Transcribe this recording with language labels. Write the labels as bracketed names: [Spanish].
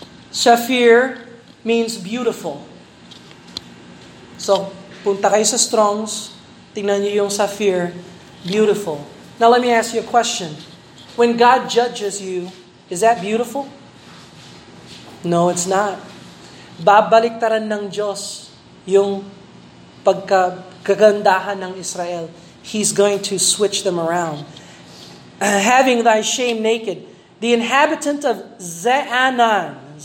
[English] Saphir means beautiful. So, [Filipino] punta kayo sa Strong's, tingnan nyo yung Saphir, [English] beautiful. Now let me ask you a question. When God judges you, is that beautiful? No, it's not. [Filipino] Babaliktaran ng Diyos yung pagkagandahan ng Israel. [English] He's going to switch them around. Having thy shame naked, the inhabitant of Zaanan.